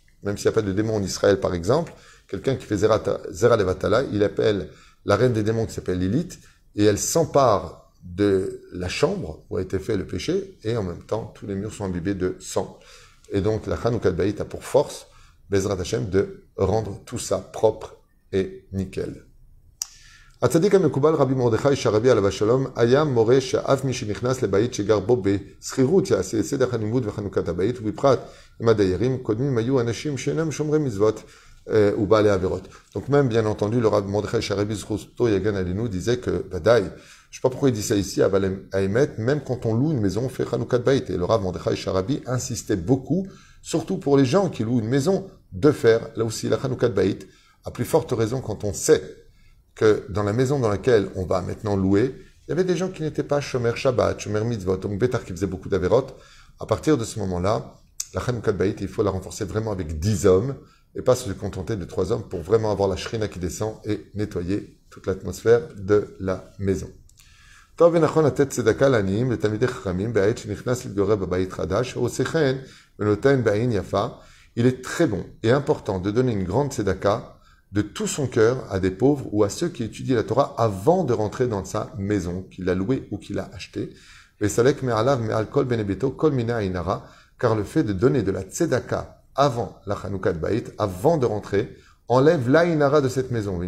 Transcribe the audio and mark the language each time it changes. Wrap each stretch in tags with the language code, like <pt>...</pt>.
<fr>Même s'il n'y a pas de démons en Israël, par exemple, quelqu'un qui fait Zera Levatala, il appelle la reine des démons qui s'appelle Lilith et elle s'empare de la chambre où a été fait le péché et en même temps, tous les murs sont imbibés de sang. Et donc, la Chanukah de Baït a pour force, Bezrat Hashem, de rendre tout ça propre et nickel.</fr> <he>הצדיק המקובל רבי מרדכי שרבי עליו השלום היה מורה שאף מי שנכנס לבית שגר בו בסחירות יעשה את סדר הלימוד וחנוכת הבית ובפרט עם הדיירים קודמים היו אנשים שאינם שומרי מצוות ובעלי עבירות.</he> <fr>Donc même bien entendu le rabbi מרדכי שרבי</fr> <he>זכותו יגן עלינו</he> <fr>disait que ודאי, je ne sais pas pourquoi il dit ça ici,</fr> <he>אבל האמת,</he> <fr>même quand on loue une maison on fait חנוכת בית. Et le rabbi מרדכי שרבי insistait beaucoup, surtout pour les gens qui louent une maison, de faire là aussi la חנוכת בית, à plus forte raison quand on sait que dans la maison dans laquelle on va maintenant louer, il y avait des gens qui n'étaient pas Shomer Shabbat, Shomer Mitzvot, donc Betar qui faisait beaucoup d'Averot. À partir de ce moment-là, la Chanukat Bayit, il faut la renforcer vraiment avec 10 hommes et pas se contenter de 3 hommes pour vraiment avoir la Shrina qui descend et nettoyer toute l'atmosphère de la maison.</fr> <he>טוב ונכון לתת צדקה לעניים לתלמידי חכמים בעת שנכנס להתגורר בבית חדש או שכן ונותן בעין יפה.</he> <fr>Il est très bon et important de donner une grande tzedaka de tout son cœur à des pauvres ou à ceux qui étudient la Torah avant de rentrer dans sa maison, qu'il a louée ou qu'il a achetée.</fr> <he>וסלק מעליו מעל כל בני ביתו כל מיני עין הרע,</he> <fr>car le fait de donner de la tzedaka avant la Chanukat Bayit, avant de rentrer, enlève l'ayin hara de cette maison.</fr>